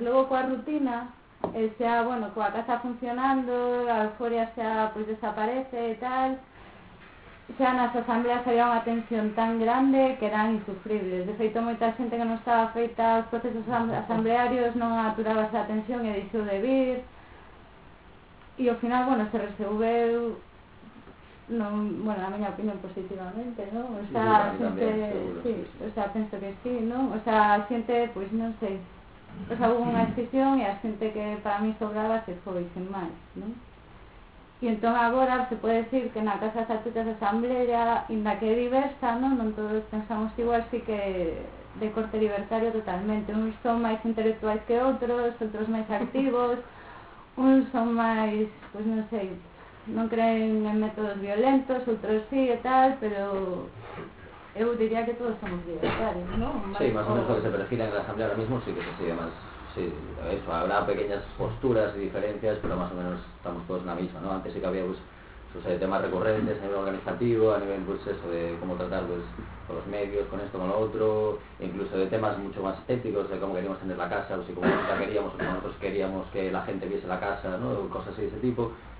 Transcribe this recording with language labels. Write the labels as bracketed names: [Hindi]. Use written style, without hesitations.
[Spanish] Luego con la rutina, sea, bueno, con la casa funcionando, la euforia sea, pues desaparece y tal. [Galician] Xa nas asambleas había unha tensión tan grande que eran insufribles. De feito, moita xente que non estaba afeita aos procesos asamblearios non aturaba esa tensión e deixou de vir. E ao final, bueno, se resolveu, non, bueno, a miña opinión positivamente, non? O sea, xente, sí, o sea, penso que sí, non? O sea, xente, pois non sei, o sea, houve unha excepción e a xente que para mí sobraba se foi, sin máis, non? E entón agora se pode decir que na casa de estatutos de asamblea, inda que é diversa, non todos pensamos igual, si que de corte libertario totalmente. Uns son máis intelectuais que outros, outros máis activos, uns son máis, pues, non sei, non creen en métodos violentos, outros sí e tal, pero eu diría que todos somos libertarios, non? Sí, máis ou menos o que se prefira en a asamblea ahora mismo sí que se sigue máis. [Spanish] Sí, eso, habrá pequeñas posturas y diferencias, pero más o menos estamos todos en la misma, ¿no? Antes sí que había pues, temas recurrentes a nivel organizativo, a nivel pues, eso de cómo tratar pues, con los medios, con esto, con lo otro, incluso de temas mucho más éticos, de cómo queríamos tener la casa, o si como nosotros queríamos, o como nosotros queríamos que la gente viese la casa, ¿no? Cosas de ese tipo.